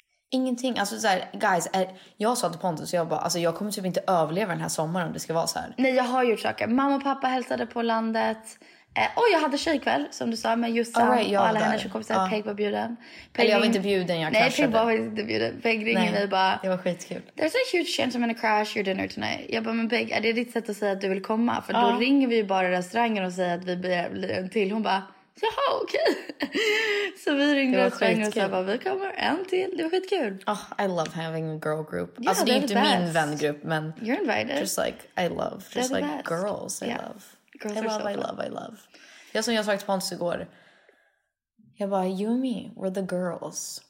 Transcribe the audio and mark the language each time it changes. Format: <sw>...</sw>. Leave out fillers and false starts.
<sv>Ingenting, alltså såhär, guys, jag sa till Pontus, jag bara, alltså jag kommer typ inte överleva den här sommaren om det ska vara så här. Nej, jag har gjort saker. Mamma och pappa hälsade på landet. Och jag hade tjejkväll, som du sa, med Jussan och alla hennes kompisar. Peg var bjuden. Eller jag var inte bjuden, jag kraschade. Nej, Peg var inte bjuden. Peg ringde mig bara. Det var skitkul.</sv> <en>There's a huge chance I'm gonna crash your dinner tonight.</en> <sv>Jag bara, men Peg, är det ditt sätt att säga att du vill komma? För då ringer vi ju bara restaurangen och säger att vi blir en till. Hon bara... Jaha, okej. Så vi ringde och sa, vi kommer en till. Det var skitkul.</sv> <en>Oh, I love having a girl group.</en> <sv>Yeah, alltså, det är inte min vängrupp, men...</sv> <en>You're invited. Just like, I love. Just like, best. Girls, I love. Girls I love.</en> <sv>Ja, som jag sa till Pontus igår. Jag bara,</sv> <en>you and me, we're the girls.</en>